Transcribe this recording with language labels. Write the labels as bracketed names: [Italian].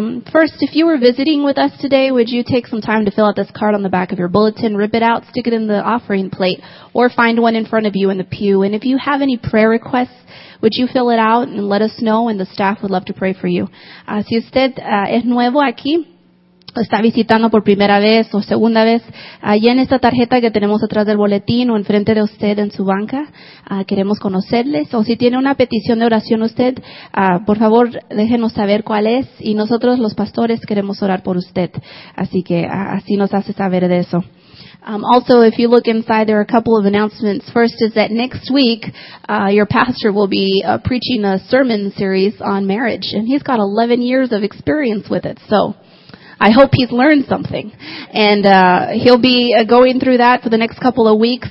[English] First, if you were visiting with us today, would you take some time to fill out this card on the back of your bulletin, rip it out, stick it in the offering plate, or find one in front of you in the pew? And if you have any prayer requests, would you fill it out and let us know, and the staff would love to pray for you. [Spanish] Si usted es nuevo aquí, está visitando por primera vez o segunda vez, allá en esta tarjeta que tenemos atrás del boletín o enfrente de usted en su banca, queremos conocerles. O si tiene una petición de oración usted, por favor déjenos saber cuál es, y nosotros los pastores queremos orar por usted. Así que así nos hace saber de eso. [English] Also, if you look inside, there are a couple of announcements. First is that next week, your pastor will be preaching a sermon series on marriage, and he's got 11 years of experience with it, so I hope he's learned something, and he'll be going through that for the next couple of weeks.